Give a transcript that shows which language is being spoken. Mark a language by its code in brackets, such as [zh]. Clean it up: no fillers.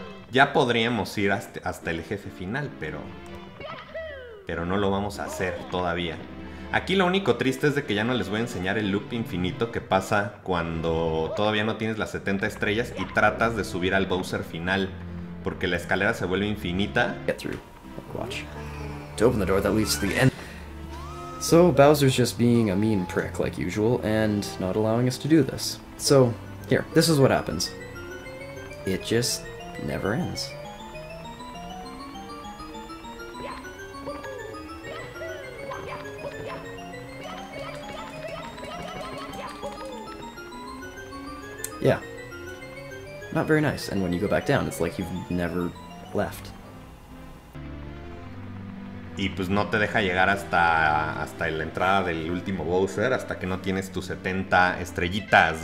[es] Ya podríamos ir hasta el jefe final, pero no lo vamos a hacer todavía. Aquí lo único triste es de que ya no les voy a enseñar el loop infinito que pasa cuando todavía no tienes las 70 estrellas y tratas de subir al Bowser final, porque la escalera se vuelve infinita. [en] Watch. To open the door that leads to the end. So Bowser's just being a mean prick like usual and not allowing us to do this. So here, this is what happens. It just never ends. Yeah. Not very nice. And when you go back down, it's like you've never left. [es] Y pues no te deja llegar hasta la entrada del último Bowser, hasta que no tienes tus 70 estrellitas.